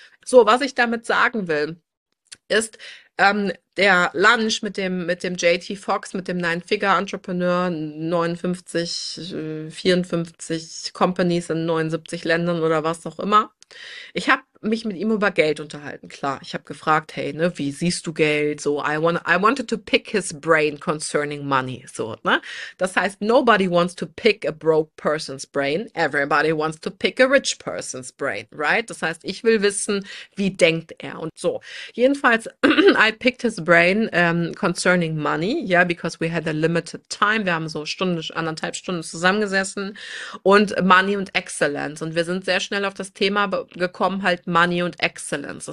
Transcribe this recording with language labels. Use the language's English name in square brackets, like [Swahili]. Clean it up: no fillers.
[German] So, was ich damit sagen will, ist, der Lunch mit dem JT Fox, mit dem Nine-Figure-Entrepreneur, 59, 54 Companies in 79 Ländern oder was auch immer. Ich habe mich mit ihm über Geld unterhalten, klar. Ich habe gefragt, hey, ne, wie siehst du Geld? [English] So, I wanted to pick his brain concerning money. So, ne? [German] Das heißt, [English] nobody wants to pick a broke person's brain. Everybody wants to pick a rich person's brain, right? [German] Das heißt, ich will wissen, wie denkt er? Und so. Jedenfalls, [English] I picked his brain concerning money, ja, yeah, because we had a limited time. [German] Wir haben so Stunde, anderthalb Stunden zusammengesessen und Money und Excellence. Und wir sind sehr schnell auf das Thema gekommen, halt Money und Excellence.